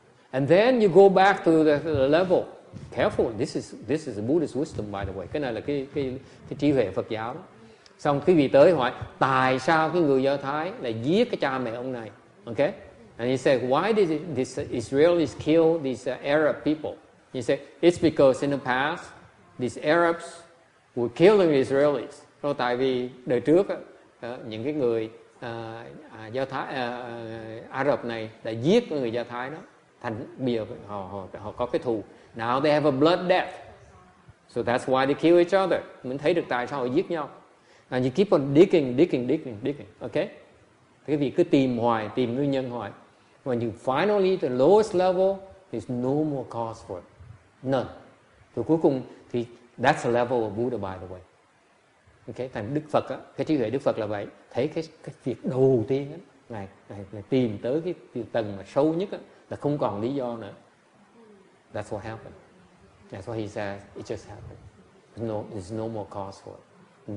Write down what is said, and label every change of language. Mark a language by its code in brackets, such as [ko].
[en] And then you go back to the level. Careful, this is Buddhist wisdom by the way. [vi] Cái này là cái trí huệ Phật giáo. Xong quý vị tới hỏi tại sao cái người Do Thái lại giết cái cha mẹ ông này? [en] Okay? And he said, why did this Israelis kill these Arab people? He said, it's because in the past these Arabs were killing Israelis. [vi] Rồi tại vì đời trước những cái người Do Thái, Ả Rập này đã giết người Do Thái đó. Thành bây giờ họ, họ có cái thù. [en] Now they have a blood debt. So that's why they kill each other. [vi] Mình thấy được tại sao họ giết nhau. [en] And you keep on digging. Okay? [vi] Thế vì cứ tìm hoài, tìm nguyên nhân hoài. [en] When you finally the lowest level, there's no more cause for it. None. [vi] Rồi cuối cùng thì [en] that's the level of Buddha, by the way. Okay? [vi] Thành Đức Phật á, cái trí huệ Đức Phật là vậy. Thấy cái việc đầu tiên á, ngài tìm tới cái tầng mà sâu nhất á, là không còn lý do nữa. [en] That's what happened. That's what he says, it just happened. No, there's no more cause for it.